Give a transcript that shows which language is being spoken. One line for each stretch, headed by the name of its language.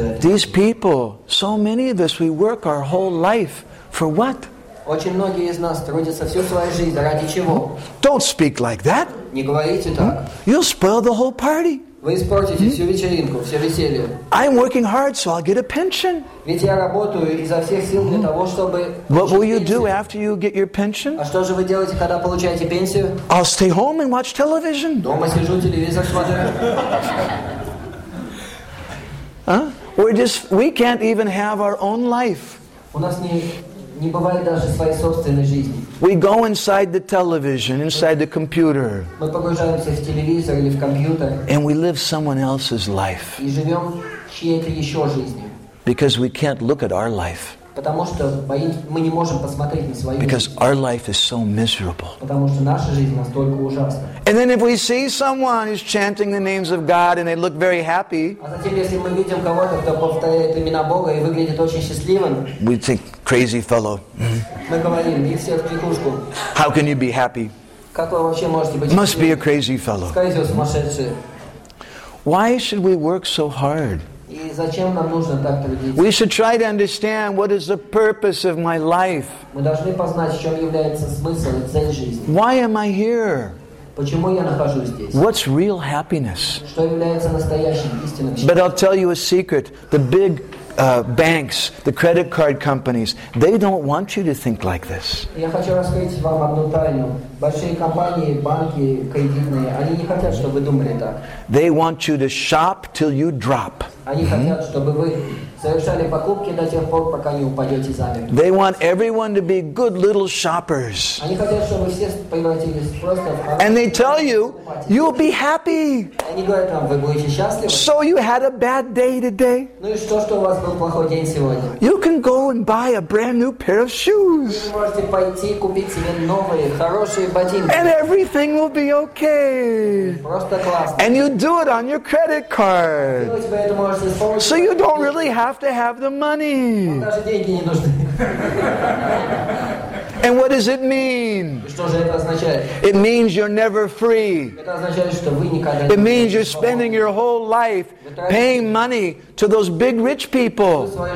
English: These people, so many of us, we work our whole life for what?
Russian: Очень многие из нас трудятся всю свою жизнь. Ради чего?
English: Don't speak like that.
Russian: Не говорите так.
English: You'll spoil the whole party.
Russian: Вы испортите всю вечеринку, все веселье.
English: I'm working hard, so I'll get a pension.
Russian: Ведь я работаю изо всех сил для того, чтобы...
English: What will you do after you get your pension?
Russian: А что же вы делаете, когда получаете пенсию?
English: I'll stay home and watch television.
Russian: Дома сижу, телевизор смотрю.
English: We can't even have our own life.
Russian: У нас не бывает даже своей собственной жизни.
English: We go inside the television, inside the computer.
Russian: Мы погружаемся в телевизор или в компьютер.
English: And we live someone else's life.
Russian: И живем чьей-то еще жизнью.
English: Because we can't look at our life.
Russian: Потому что мы не можем посмотреть на свою жизнь.
English: Because our life is so miserable.
Russian: Потому что наша жизнь настолько ужасна.
English: And then if we see someone who's chanting the names of God and they look very happy.
Russian: А затем если мы видим кого-то, кто повторяет имена Бога и выглядит очень счастливым.
English: We think, crazy fellow.
Russian: Мы говорим, и все в психушку.
English: How can you be happy?
Russian: Как вы вообще можете быть?
English: Must be a crazy fellow.
Russian: Скорее всего, сумасшедший.
English: Why should we work so hard? We should try to understand what is the purpose of my life. Why am I here? What's real happiness? But I'll tell you a secret. The big banks, the credit card companies, they don't want you to think like this.
Russian: Я хочу раскрыть вам одну тайну. Большие компании, банки, кредитные, они не хотят, чтобы вы думали так.
English: They want you to shop till you drop.
Russian: Они хотят, чтобы вы совершали покупки до тех пор, пока не упадете замертво.
English: They want everyone to be good little shoppers.
Russian: Они хотят, чтобы все превратились просто в покупателей.
English: And they tell you, you'll be happy.
Russian: Они говорят вам, вы будете счастливы.
English: So you had a bad day today.
Russian: Ну и что, что у вас был плохой день сегодня?
English: You can go and buy a brand new pair of shoes.
Russian: Вы можете пойти купить себе новые хорошие ботинки.
English: And everything will be okay.
Russian: Просто классно.
English: And you do it on your credit card. So you don't really have to have the money. And what does it mean? It means you're never free. It means you're spending your whole life paying money to those big rich people.